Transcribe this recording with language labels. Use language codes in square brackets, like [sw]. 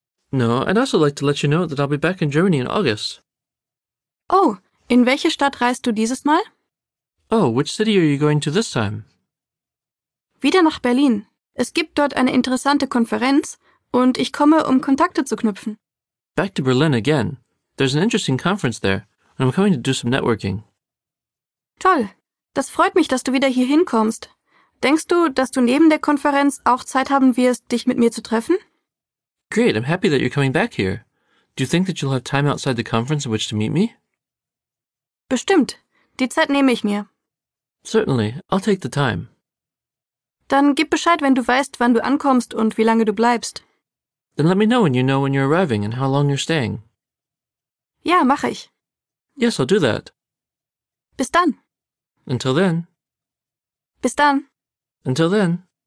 [en] No, I'd also like to let you know that I'll be back in Germany in August. [de] Oh, in welche Stadt reist du dieses Mal? [en] Oh, which city are you going to this time? [de] Wieder nach Berlin. Es gibt dort eine interessante Konferenz und ich komme, um Kontakte zu knüpfen. [en] Back to Berlin again. There's an interesting conference there and I'm coming to do some networking. [de] Toll. Das freut mich, dass du wieder hier hinkommst. Denkst du, dass du neben der Konferenz auch Zeit haben wirst, dich mit mir zu treffen? [en] Great, I'm happy that you're coming back here. Do you think that you'll have time outside the conference in which to meet me? [de] Bestimmt. Die Zeit nehme ich mir. [en] Certainly, I'll take the time. [de] Dann gib Bescheid, wenn du weißt, wann du ankommst und wie lange du bleibst. [en] Then let me know when you're arriving and how long you're staying. [de] Ja, mache ich. [en] Yes, I'll do that. [de] Bis dann. [en] Until then. [de] Bis dann. [en] Until then.